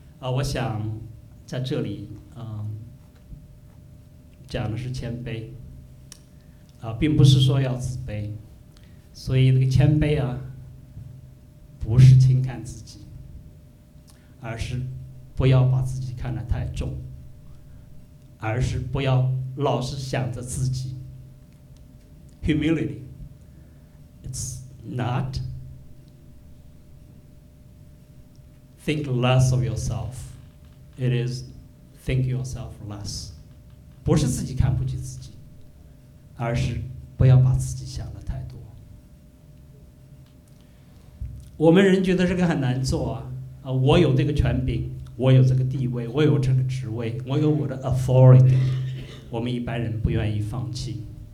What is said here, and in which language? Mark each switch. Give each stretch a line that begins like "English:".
Chinese: 我想在这里讲的是谦卑，并不是说要自卑。所以那个谦卑啊，不是轻看自己，而是不要把自己看得太重，而是不要老是想着自己。
English: Humility, it's not think less of yourself, it is think yourself less.
Chinese: 不是自己看不起自己，而是不要把自己想得太多。我们人觉得这个很难做啊，我有这个权柄，我有这个地位，我有这个职位，我有我的 authority, 我们一般人不愿意放弃。